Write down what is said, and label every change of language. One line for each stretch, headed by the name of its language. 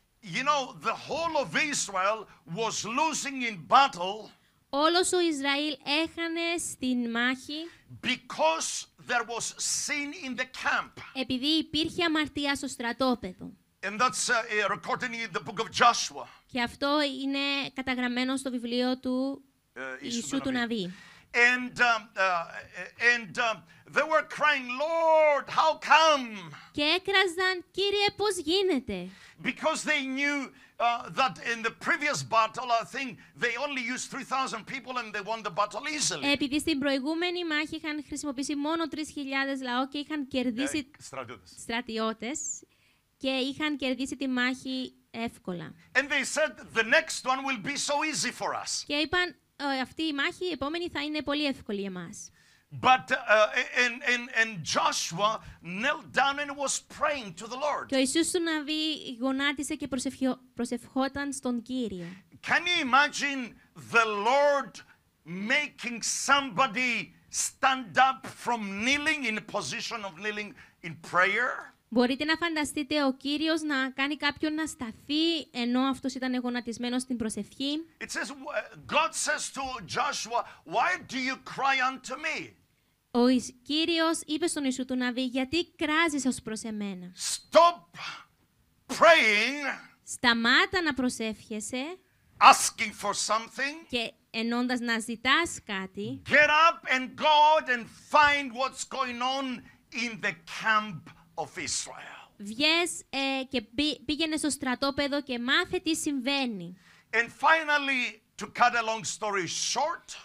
English: You know, the whole of Israel was losing in battle.
Greek: Όλος ο Ισραήλ έχανε στην μάχη.
English: Because there was sin in the camp.
Greek: Επειδή υπήρχε αμαρτία στο στρατόπεδο.
English: And that's recorded in the book of Joshua.
Greek: Και αυτό είναι καταγραμμένο στο βιβλίο του Ιησού του Ναβί.
English: And they were crying, Lord, how come?
Greek: Και έκραζαν, Κύριε, πώς γίνεται?
English: Because they knew that in the previous battle, I think they only used 3,000 people and they won the battle easily.
Greek: Επειδή στην προηγούμενη μάχη είχαν χρησιμοποιήσει μόνο 3,000 λαό και είχαν κερδίσει στρατιώτες και είχαν κερδίσει τη μάχη εύκολα.
English: And they said, the next one will be so easy for us.
Greek: Και είπαν, αυτή η μάχη, η επόμενη, θα είναι πολύ εύκολη για μας.
English: But and Joshua knelt down and was praying to the Lord.
Greek: Και ο Ιησούς του ναβί γονάτισε και προσευχόταν στον Κύριο.
English: Can you imagine the Lord making somebody stand up from kneeling in a position of kneeling in prayer?
Greek: Μπορείτε να φανταστείτε ο Κύριος να κάνει κάποιον να σταθεί ενώ αυτός ήταν γονατισμένος στην προσευχή?
English: It says God says to Joshua, "Why do you cry unto me?"
Greek: Ο Κύριος είπε στον Ιησού του Ναβί, «Γιατί κράζεις ως προς εμένα?»
English: Stop praying.
Greek: Σταμάτα να προσεύχεσαι.
English: Asking for something.
Greek: Και ενώντας να ζητάς κάτι.
English: Get up and go and find what's going on in the camp of Israel.
Greek: Βγες και πήγαινε στο στρατόπεδο και μάθε τι συμβαίνει.
English: And finally, to cut a long story short.